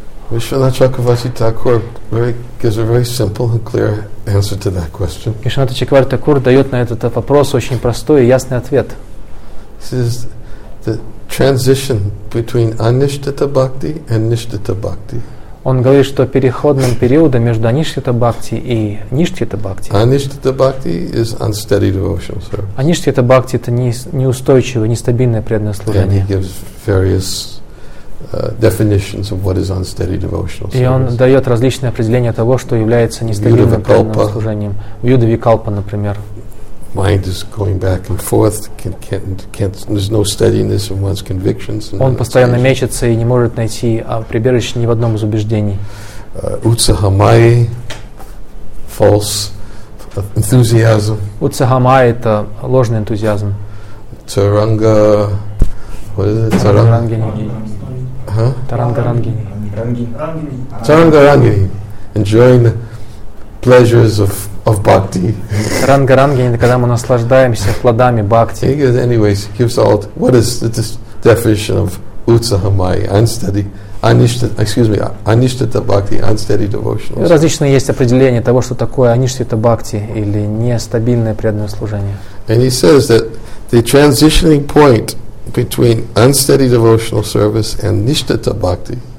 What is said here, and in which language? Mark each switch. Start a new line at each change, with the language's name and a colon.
English: Vishwanath Chakravarti Thakur gives a very simple and clear answer to that question.
Russian: Vishwanath Chakravarti Thakur дает на этот вопрос очень простой и ясный ответ.
English: This is the transition between anishtita bhakti and nishtita bhakti.
Russian: Он говорит, что переходным периодом между анишхита бхакти и ништхита бхакти.
English: Anishtita bhakti is unsteady devotional service.
Russian: Анишхита бхакти — это неустойчивое, нестабильное преданное служение.
English: And he gives various definitions of what is unsteady devotional service.
Russian: И он дает различные определения того, что является нестабильным преданным служением. Вьюдха Викалпа, например.
English: Mind is going back and forth. Can't. There's no steadiness in one's convictions.
Russian: Он постоянно мечется и не может найти прибежище ни в одном из убеждений.
English: Utsahamai, false enthusiasm.
Russian: Utsahamai — это ложный энтузиазм.
English: Taranga, what is it? Taranga rangini. Taranga rangini. Taranga rangini. Enjoying the pleasures of bhakti.
Russian: Ранга ранги — это когда мы наслаждаемся плодами бхакти.
English: He gives, anyways, gives all. What is the definition of utsahamai, unsteady, anishtita bhakti, unsteady devotional?
Russian: Различные есть определения того, что такое анишхита бхакти или нестабильное преданное служение.
English: And he says that the transitioning point between unsteady devotional service and nishtita bhakti.